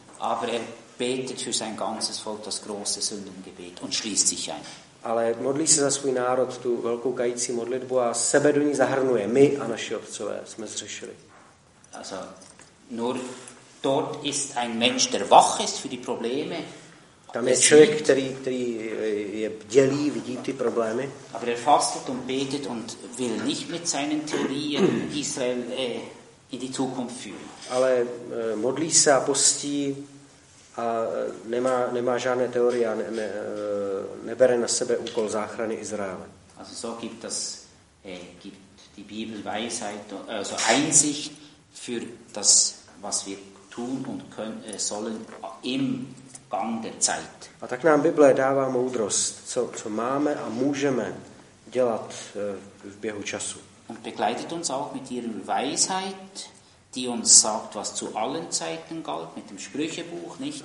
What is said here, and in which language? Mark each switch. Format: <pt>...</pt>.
<de>Aber er betet für sein ganzes Volk das große Sündengebet und schließt sich ein.</de> <cs>Ale modlí se za svůj národ tu velkou kající modlitbu a sebe do ní zahrnuje. My a naši otcové jsme zřešili.</cs> <de>Also, nur dort ist ein Mensch, der wach ist für die Probleme.</de> <cs>Tam je člověk, který je bdělý, vidí ty problémy.</cs> <de>Aber er fastet und betet und will nicht mit seinen Theorien Israel in die Zukunft führen.</de> <cs>Ale modlí se a postí a nemá žádné teorie a nebere na sebe úkol záchrany Izraele.</cs> <de>Also so gibt die Bibel Weisheit, also Einsicht für das, was wir tun und können, sollen im Gang der Zeit.</de> <cs>A tak nám Bible dává moudrost, co máme a můžeme dělat v běhu času.</cs> <de>Und begleitet uns auch mit ihrer Weisheit, die uns sagt, was zu allen Zeiten galt, mit dem Sprüchebuch, nicht?</de>